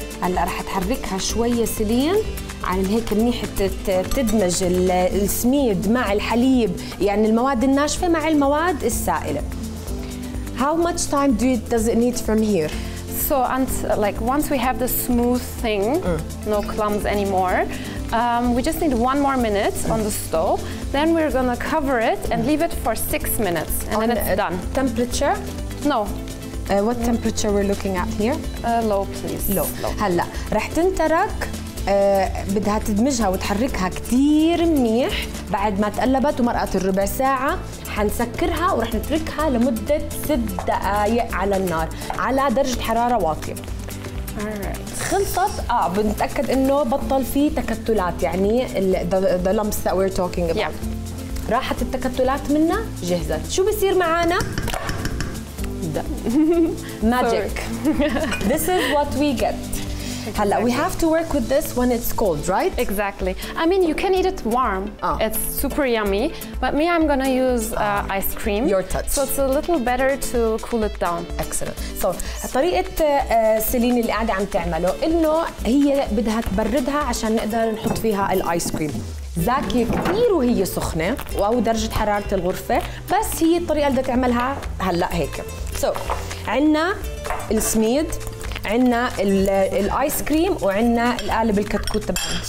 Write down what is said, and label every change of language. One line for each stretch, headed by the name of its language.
Arabic: هلا رح تحركها شوية سليم عشان هيك منيح تدمج السميد مع الحليب, يعني المواد الناشفة مع المواد السائلة.
English: How much time does it need from here? So once we have the smooth thing, no clumps anymore, we just need one more minute on the stove. Then we're gonna cover it and leave it for 6 minutes and on then it's done. Temperature? No. What temperature we're looking at here? Low, please. Low.
Arabic: هلا رح تنترك بدها تدمجها وتحركها كتير منيح بعد ما تقلبت ومرقت الربع ساعة. حنسكرها ورح نتركها لمدة 6 دقائق على النار على درجة حرارة واطية.
English: Alright.
Arabic: خلصت. بنتأكد إنه بطل فيه تكتلات, يعني
English: the lumps that we're talking about. Yeah.
Arabic: راحت التكتلات منها, جهزت. شو بصير معانا؟ Magic.
English: This is what we get. Exactly. We have to work with this when it's cold, right? Exactly. I mean, you can eat it warm. It's super yummy. But me, I'm gonna use ice cream. Your touch. So it's a little better to cool it down. Excellent.
Arabic: So طريقة سيلين اللي قاعدة عم تعمله إنه هي بدها تبردها عشان نقدر نحط فيها الآيس كريم. زاكي كتير وهي سخنة أو درجة حرارة الغرفة, بس هي الطريقة اللي تعملها هلأ هيك. So عنا السميد, عنا الآيس كريم, وعنا القالب الكتكوت تبعنا.